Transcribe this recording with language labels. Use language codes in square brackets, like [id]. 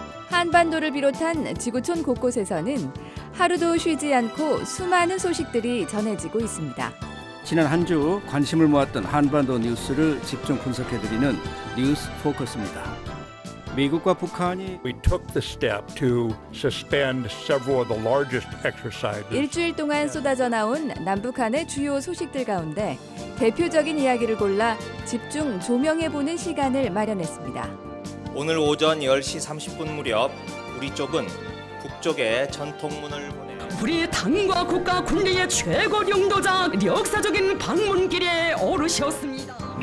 [ko] 한반도를 비롯한 지구촌 곳곳에서는 하루도 쉬지 않고 수많은 소식들이 전해지고 있습니다. 지난 한 주 관심을 모았던 한반도 뉴스를 집중 분석해드리는 뉴스 포커스입니다. 미국과 북한이 [en] We took the step to suspend several of the largest exercises. [ko] 일주일 동안 쏟아져 나온 남북한의 주요 소식들 가운데 대표적인 이야기를 골라 집중 조명해보는 시간을 마련했습니다. 오늘 오전 10시 30분 무렵 우리 쪽은 북쪽에 전통문을 보내 우리 당과 국가 군대의 최고 영도자 역사적인 방문길에 오르셨습니다.